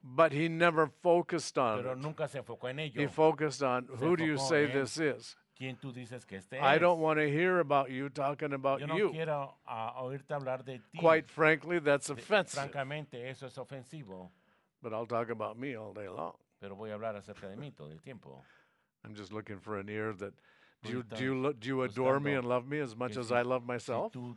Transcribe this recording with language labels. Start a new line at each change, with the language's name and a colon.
English: But he never focused on
Spanish: pero nunca
English: it.
Spanish: Se enfocó en ello.
English: He focused on, who do you say this is?
Spanish: ¿Quién tú dices que este
English: I don't want to hear about you talking about
Spanish: yo no
English: you.
Spanish: Quiero, oírte hablar de ti.
English: Quite frankly, that's offensive.
Spanish: Francamente, eso es ofensivo.
English: But I'll talk about me all day long.
Spanish: Pero voy a hablar acerca de mí todo el tiempo.
English: I'm just looking for an ear that... Do you adore me and love me as much as I love myself?